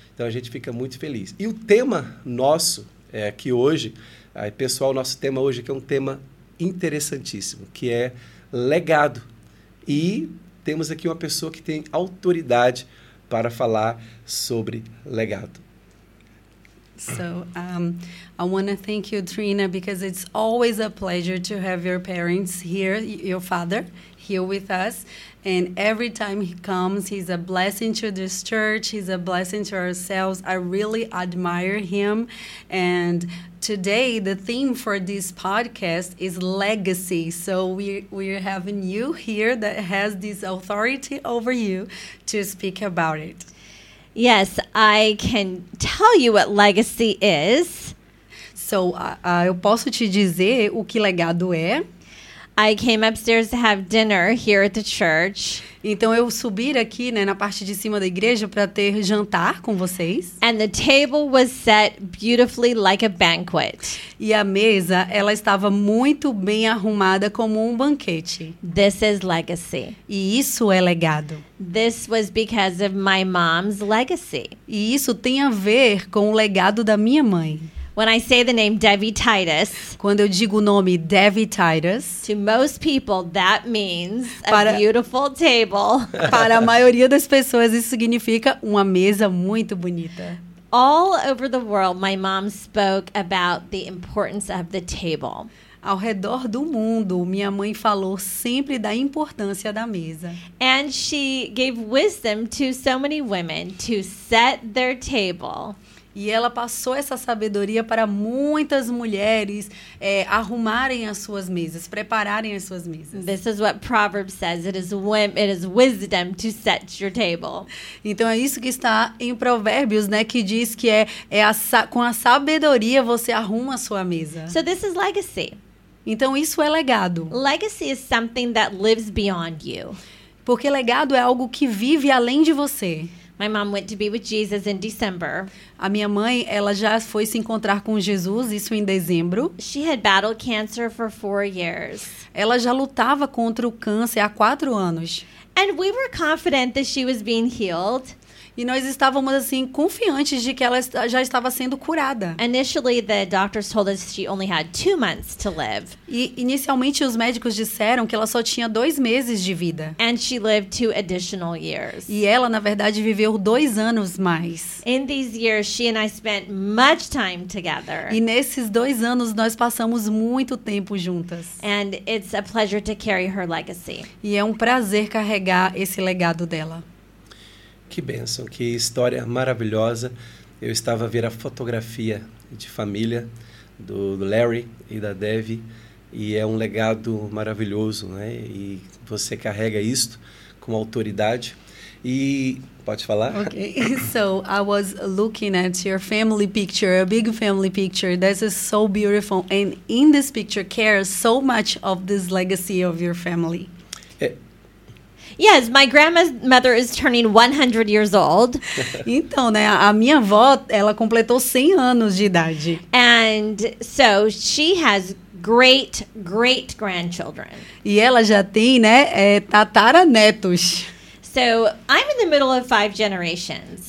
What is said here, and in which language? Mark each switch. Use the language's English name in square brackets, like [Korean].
[Portuguese] Então, a gente fica muito feliz. E o tema nosso aqui hoje, pessoal, nosso tema hoje que é um tema interessantíssimo, que é legado. E temos aqui uma pessoa que tem autoridade para falar sobre legado. [English] So, I want to thank you, Trina, because it's always a pleasure to have your parents here, your father, here with us. And every time he comes, he's a blessing to this church, he's a blessing to ourselves. I really admire him. And today, the theme for this podcast is legacy. So we're having you here that has this authority over you to speak about it. Yes, I can tell you what legacy is. [Portuguese] So, eu posso te dizer o que legado é. [English] I came upstairs to have dinner here at the church. [Portuguese] Então, eu subi aqui, né, na parte de cima da igreja para ter jantar com vocês. [English] And the table was set beautifully like a banquet. [Portuguese] E a mesa, ela estava muito bem arrumada como um banquete. [English] This is legacy. [Portuguese] E isso é legado. [English] This was because of my mom's legacy. [Portuguese] E isso tem a ver com o legado da minha mãe. [English] When I say the name Debbie Titus, [Portuguese] quando eu digo o nome Debbie Titus, [English] to most people that means a beautiful table. [Portuguese] Para a maioria das pessoas isso significa uma mesa muito bonita. [English] All over the world, my mom spoke about the importance of the table. [Portuguese] Ao redor do mundo, minha mãe falou sempre da importância da mesa. [English] And she gave wisdom to so many women to set their table. [Portuguese] E ela passou essa sabedoria para muitas mulheres arrumarem as suas mesas, prepararem as suas mesas. [English] This is what Proverbs says. It is wisdom to set your table. [Portuguese] Então é isso que está em Provérbios, né, que diz que com a sabedoria você arruma a sua mesa. [English] So this is legacy. [Portuguese] Então isso é legado. [English] Legacy is something that lives beyond you. [Portuguese] Porque legado é algo que vive além de você. [English] My mom went to be with Jesus in December. [Portuguese] A minha mãe, ela já foi se encontrar com Jesus, isso em dezembro. [English] She had battled cancer for 4 years. [Portuguese] Ela já lutava contra o câncer há 4 anos. [English] And we were confident that she was being healed. [Portuguese] E nós estávamos assim confiantes de que ela já estava sendo curada. [English] Initially, the doctors told us she only had 2 months to live. [Portuguese] E inicialmente os médicos disseram que ela só tinha 2 meses de vida. [English] And she lived 2 additional years. [Portuguese] E ela, na verdade, viveu 2 anos mais. [English] In these years, she and I spent much time together. [Portuguese] E nesses 2 anos nós passamos muito tempo juntas. [English] And it's a pleasure to carry her legacy. [Portuguese] E é um prazer carregar esse legado dela. Que bênção, que história maravilhosa. Eu estava a ver a fotografia de família do Larry e da Devi, e é um legado maravilhoso, né? E você carrega isto com autoridade. E pode falar? [English] Okay. So, I was looking at your family picture, a big family picture. This is so beautiful. And in this picture, cares so much of this legacy of your family. Yes, my grandmother is turning 100 years old. [Portuguese] Então, né, a minha avó, ela completou 100 anos de idade. [English] And so she has great, great grandchildren. [Portuguese] E ela já tem, né, tataranetos. [English] So I'm in the middle of 5 generations.